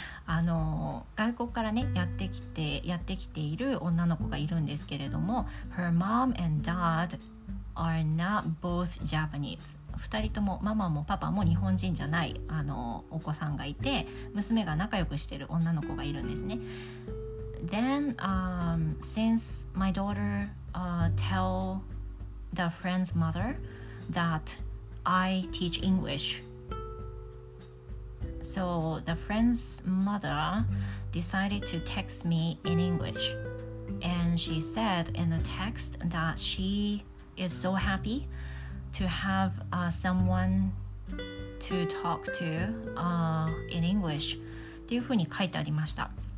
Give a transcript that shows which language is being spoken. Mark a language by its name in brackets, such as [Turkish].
[Japanese] 外国からね、やってきている女の子がいるんですけれども、 [English] her mom and dad are not both Japanese. [Japanese] 二人とも、ママもパパも日本人じゃないお子さんがいて、娘が仲良くしてる女の子がいるんですね。 [English] Then, since my daughter tell the friend's mother that I teach English. So the friend's mother decided to text me in English. And she said in the text that she is so happy to have someone to talk to in English. [Japanese] っていうふうに書いてありました。